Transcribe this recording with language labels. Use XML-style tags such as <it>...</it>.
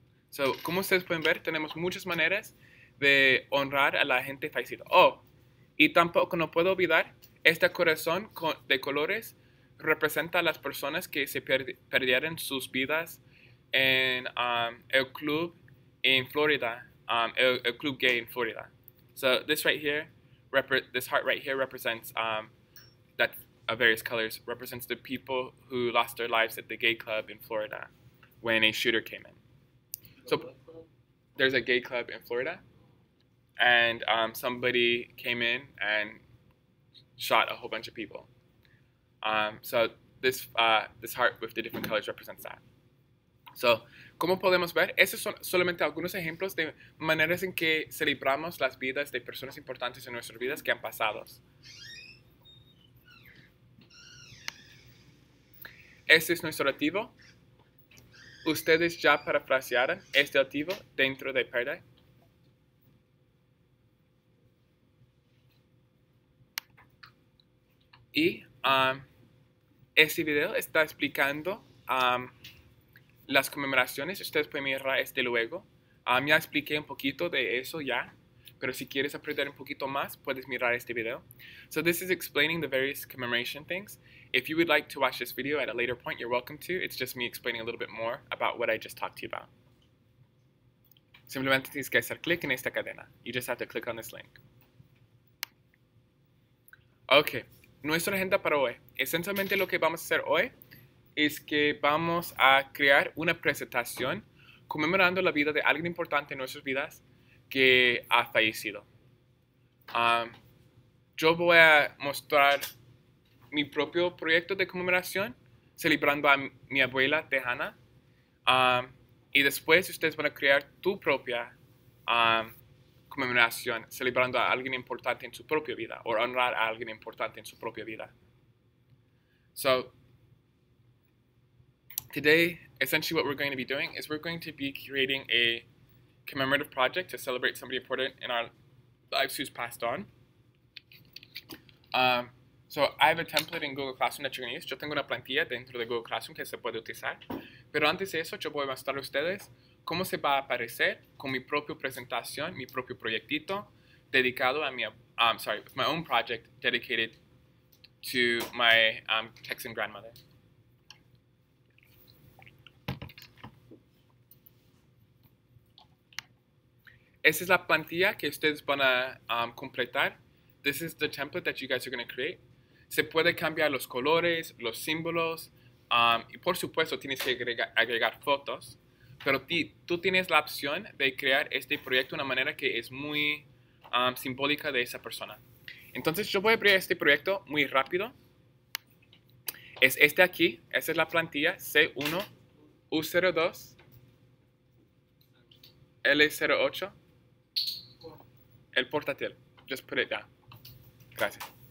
<es>So, como ustedes pueden ver, tenemos muchas maneras de honrar a la gente fallecida. Oh, y tampoco no puedo olvidar, este corazón de colores representa a las personas que se perdieron sus vidas en el club en Florida, el club gay en Florida.</es> <en>So, this heart right here represents, that various colors, represents the people who lost their lives at the gay club in Florida when a shooter came in. So, there's a gay club in Florida, and somebody came in and shot a whole bunch of people. So, this heart with the different colors represents that.</en> <es>So, como podemos ver, esos son solamente algunos ejemplos de maneras en que celebramos las vidas de personas importantes en nuestras vidas que han pasado. Este es nuestro objetivo. Ustedes ya parafrasearon este activo dentro de Payday. Y este video está explicando las conmemoraciones. Ustedes pueden mirar este luego. Ya expliqué un poquito de eso ya. Pero si quieres aprender un poquito más, puedes mirar este video.</es> <en>So this is explaining the various commemoration things. If you would like to watch this video at a later point, you're welcome to. It's just me explaining a little bit more about what I just talked to you about.</en> <es>Simplemente tienes que hacer clic en esta cadena.</es> <en>You just have to click on this link.</en> <es>Okay, nuestra agenda para hoy. Esencialmente lo que vamos a hacer hoy es que vamos a crear una presentación conmemorando la vida de alguien importante en nuestras vidas que ha fallecido. Yo voy a mostrar mi propio proyecto de conmemoración, celebrando a mi abuela Tejana. Y después ustedes van a crear tu propia conmemoración celebrando a alguien importante en su propia vida o honrar a alguien importante en su propia vida.</es> <en>So, today, essentially what we're going to be doing is we're going to be creating a commemorative project to celebrate somebody important in our lives who's passed on. So I have a template in Google Classroom that you're going to use.</en> <es>Yo tengo una plantilla dentro de Google Classroom que se puede utilizar. Pero antes de eso, yo voy a mostrar a ustedes cómo se va a aparecer con mi propia presentación, mi propio proyectito dedicado a mi,</es> <en>my own project dedicated to my Texan grandmother.</en> <es>Esa es la plantilla que ustedes van a completar.</es> <en>This is the template that you guys are going to create.</en> <es>Se puede cambiar los colores, los símbolos, y por supuesto tienes que agregar fotos, pero tú tienes la opción de crear este proyecto de una manera que es muy simbólica de esa persona. Entonces yo voy a abrir este proyecto muy rápido. Es este aquí, esa es la plantilla C1U02L08, el portátil,</es> <en>just put it down.</en> <es>Gracias.</es>